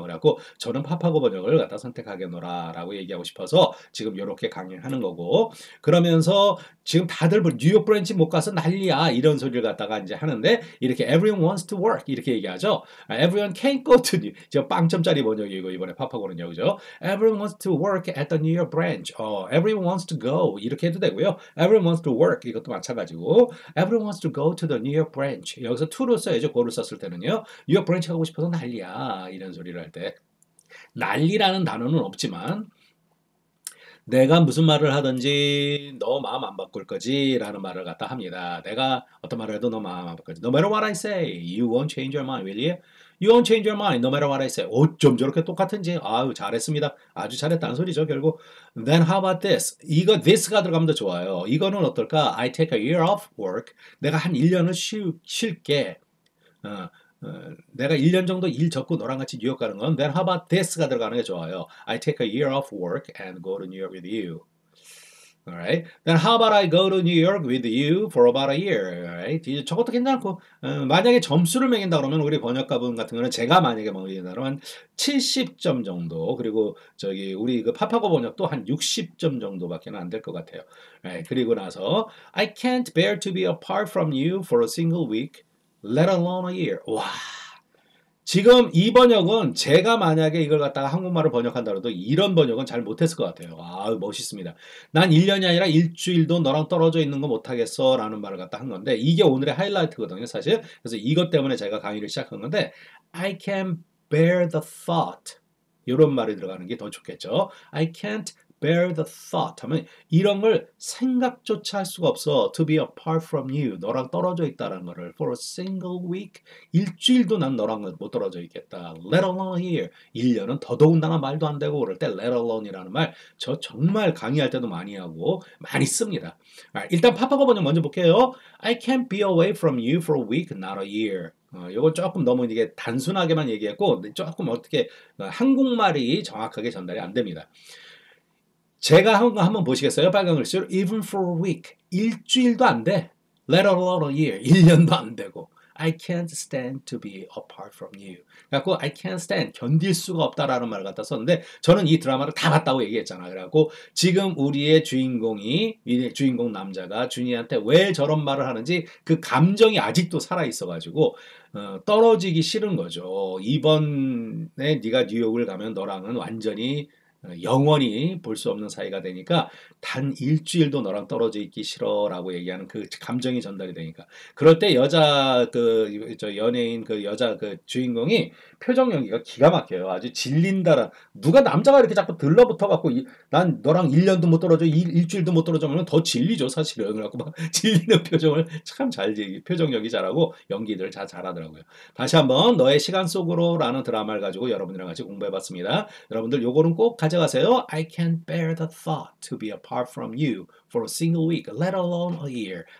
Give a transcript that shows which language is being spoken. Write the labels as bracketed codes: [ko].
[ko] 그래갖고 저는 팝하고 번역을 갖다 선택하겠노라라고 얘기하고 싶어서 지금 이렇게 강의하는 거고, 그러면서 지금 다들 뉴욕 브랜치 못 가서 난리야 이런 소리를 갖다가 이제 하는데, 이렇게 [en] everyone wants to work [ko] 이렇게 얘기하죠. [en] Everyone can't go to New. [ko] 저 0점짜리 번역이고 이번에 팝하고는요, 그죠? [en] Everyone wants to work at the New York branch. Everyone wants to go [ko] 이렇게 해도 되고요. [en] Everyone wants to work [ko] 이것도 마찬가지고, [en] everyone wants to go to the 뉴욕 브랜치, [ko] 여기서 투로 써야죠. 고를 썼을 때는요, 뉴욕 브랜치 가고 싶어서 난리야 이런 소리를 할때 난리라는 단어는 없지만, 내가 무슨 말을 하든지 너 마음 안 바꿀 거지라는 말을 갖다 합니다. 내가 어떤 말을 해도 너 마음 안 바꿀 거지. [en] No matter what I say, you won't change your mind, will you? You won't change your mind, no matter what I say. [ko] 어쩜 저렇게 똑같은지. 아유, 잘했습니다. 아주 잘했다는 소리죠, 결국. [en] Then how about this? [ko] 이거 this가 들어가면 더 좋아요. 이거는 어떨까? [en] I take a year off work. [ko] 내가 한 1년을 쉴게. 내가 1년 정도 일 접고 너랑 같이 뉴욕 가는 건, [en] then how about this가 [ko] 들어가는 게 좋아요. [en] I take a year off work and go to New York with you. Alright. Then how about I go to New York with you for about a year? Alright. [ko] 저것도 괜찮고, 만약에 점수를 매긴다 그러면, 우리 번역가분 같은 거는 제가 만약에 매긴다 그러면 70점 정도, 그리고 저기 우리 그 파파고 번역도 한 60점 정도밖에 안될것 같아요. [en] Alright. [ko] 그리고 나서 [en] I can't bear to be apart from you for a single week, let alone a year. 와. [ko] 지금 이 번역은 제가 만약에 이걸 갖다가 한국말을 번역한다 해도 이런 번역은 잘 못했을 것 같아요. 아, 멋있습니다. 난 1년이 아니라 일주일도 너랑 떨어져 있는 거 못하겠어 라는 말을 갖다 한 건데, 이게 오늘의 하이라이트거든요, 사실. 그래서 이것 때문에 제가 강의를 시작한 건데, [en] I can't bear the thought. [ko] 이런 말이 들어가는 게더 좋겠죠. [en] I can't bear the thought [ko] 하면 이런 걸 생각조차 할 수가 없어. [en] To be apart from you, [ko] 너랑 떨어져 있다라는 거를, [en] for a single week, [ko] 일주일도 난 너랑 못 떨어져 있겠다. [en] Let alone here, [ko] 1년은 더더군다나 말도 안 되고 그럴 때 let alone이라는 말, 저 정말 강의할 때도 많이 하고 많이 씁니다. 일단 파파고 번역 먼저 볼게요. [en] I can't be away from you for a week, not a year. [ko] 요건 조금 너무 이게 단순하게만 얘기했고 조금 어떻게 한국말이 정확하게 전달이 안 됩니다. 제가 한거 한번 보시겠어요? 빨간 글씨로 [en] even for a week, [ko] 일주일도 안 돼. [en] Let alone a year, [ko] 1년도 안 되고. [en] I can't stand to be apart from you. [ko] 그래갖고 [en] I can't stand, [ko] 견딜 수가 없다라는 말을 갖다 썼는데, 저는 이 드라마를 다 봤다고 얘기했잖아. 그래갖고 지금 우리의 주인공이, 주인공 남자가 주니한테 왜 저런 말을 하는지 그 감정이 아직도 살아 있어가지고, 떨어지기 싫은 거죠. 이번에 네가 뉴욕을 가면 너랑은 완전히 영원히 볼수 없는 사이가 되니까, 단 일주일도 너랑 떨어져 있기 싫어라고 얘기하는 그 감정이 전달이 되니까. 그럴 때 여자, 그, 저 연예인, 그 여자, 그 주인공이 표정 연기가 기가 막혀요. 아주 질린다라. 누가 남자가 이렇게 자꾸 들러붙어갖고, 난 너랑 1년도 못 떨어져, 일주일도 못 떨어져면 더 질리죠, 사실은. 그래갖고 막 질리는 표정을 참 잘, 표정 연기 잘하고 연기들 다 잘하더라고요. 다시 한번, 너의 시간 속으로라는 드라마를 가지고 여러분이랑 같이 공부해봤습니다. 여러분들, 요거는 꼭 가져가세요. [en] I can't bear the thought to be apart from you for a single week, let alone a year.